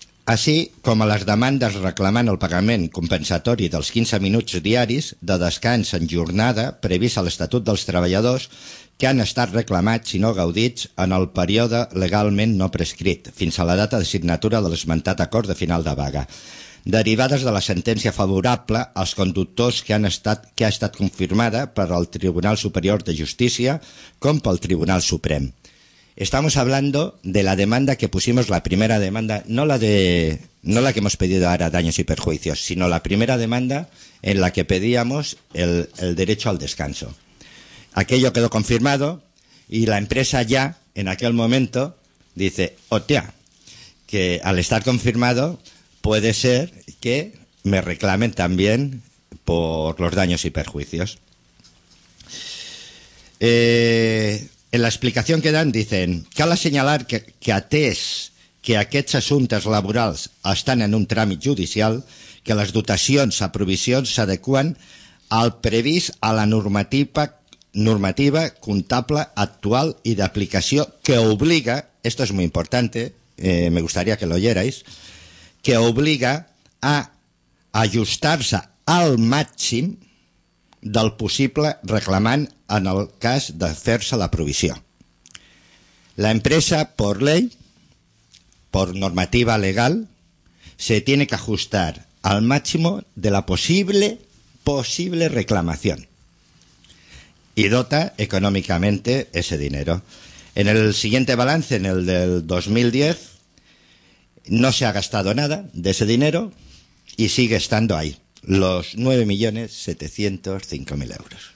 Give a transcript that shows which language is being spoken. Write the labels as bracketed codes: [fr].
[ca] Así com les demandes reclamant el pagament compensatori dels 15 minuts diaris de descans en jornada previst a l'Estatut dels Treballadors que han estat reclamats i no gaudits en el període legalment no prescrit fins a la data de signatura de l'esmentat acord de final de vaga, derivades de la sentència favorable als conductors que ha estat confirmada per el Tribunal Superior de Justícia com pel Tribunal Suprem. [es] Estamos hablando de la demanda que pusimos, la primera demanda, no la que hemos pedido ahora, daños y perjuicios, sino la primera demanda en la que pedíamos el derecho al descanso. Aquello quedó confirmado y la empresa ya, en aquel momento, dice: hostia, que al estar confirmado puede ser que me reclamen también por los daños y perjuicios. En la explicación que dan dicen: [ca] cal assenyalar que atès que aquests assumptes laborals estan en un tràmit judicial, que les dotacions a provisions s'adequen al previst a la normativa comptable actual i d'aplicació que obliga, [es] esto es muy importante, me gustaría que lo oyerais, [ca] que obliga a ajustar-se al màxim del possible reclamant en el cas de fer-se la provisió. [es] La empresa, por ley, por normativa legal, se tiene que ajustar al máximo de la posible reclamación y dota económicamente ese dinero. En el siguiente balance, en el del 2010, no se ha gastado nada de ese dinero y sigue estando ahí, los 9.705.000 euros.